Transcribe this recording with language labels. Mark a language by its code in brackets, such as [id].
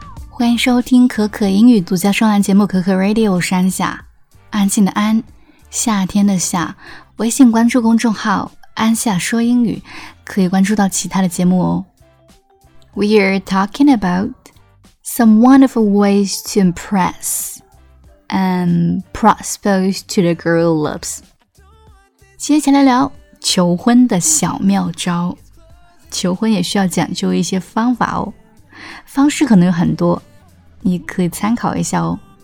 [zh] 欢迎收听可可英语独家专栏节目可可 Radio， 我是安夏，安静的安，夏天的夏。微信关注公众号安夏说英语，可以关注到其他的节目哦。 [en] We are talking about some wonderful ways to impress and propose to the girl loves。 [zh] 接下来聊求婚的小妙招，求婚也需要讲究一些方法哦，方式可能有很多，你可以参考一下哦。